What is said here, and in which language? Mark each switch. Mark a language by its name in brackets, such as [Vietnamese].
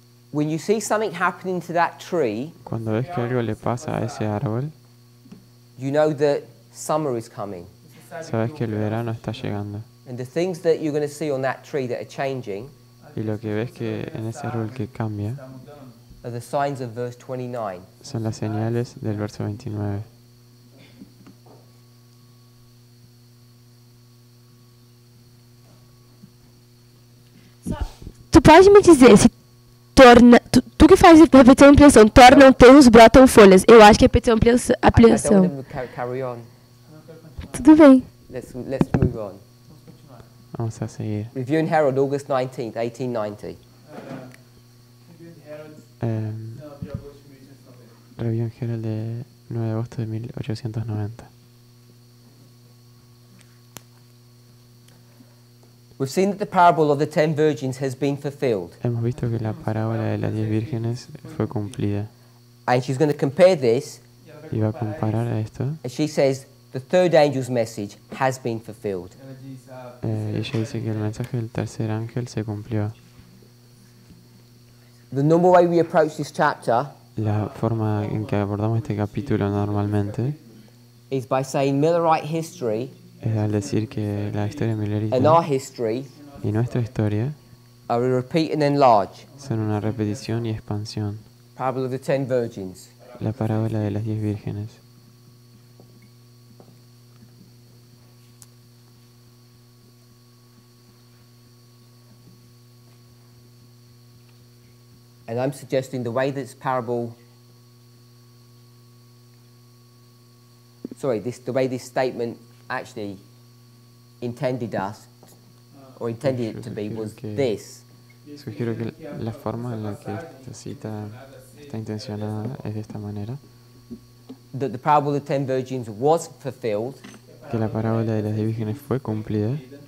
[English] When you see something happening to that tree, [Spanish] cuando ves que algo le pasa a ese árbol, [English] you know that summer is coming. [Spanish] Sabes que el verano está llegando. [English] And the things that you're going to see on that tree that are changing, [Spanish] y lo que ves que en ese árbol que cambia, [English] are the signs of verse 29. [Spanish] Son las señales del verso 29. [Portuguese] Tu pode me dizer se torna, tu que faz repetição e ampliação, tornam tenros, brotam folhas. Eu acho que é repetição e ampliação. Tudo bem. [English] Let's move on. [Spanish] Vamos a seguir. [English] Review and Herald, August 19th, 1890. [Spanish] Review and Herald de 9 de agosto de 1890. [English] We've seen that the parable of the ten virgins has been fulfilled. [Spanish] Hemos visto que la parábola de las diez vírgenes fue cumplida. [English] And she's going to compare this. [Spanish] Y va a comparar esto. [English] And she says the third angel's message has been fulfilled. [Spanish] Ella dice que el mensaje del tercer ángel se cumplió. [English] The normal way we approach this chapter. [Spanish] La forma en que abordamos este capítulo normalmente. [English] Is by saying Millerite history. [Spanish] Es al decir que la historia milerita [English] and our history [Spanish] y nuestra historia [English] are a repeat and enlarge. [Spanish] Son una repetición y expansión. [English] Parable of the ten virgins. [Spanish] La parábola de las diez vírgenes. [English] And I'm suggesting the way this parable. Sorry, this the way this statement. Actually, intended us, or intended it to be, was this. [Spanish] Sugiero que la forma en la que esta cita está intencionada es de esta manera. [English] That the parable of the ten virgins was fulfilled. [Spanish] Que la parábola de las diez vírgenes fue cumplida.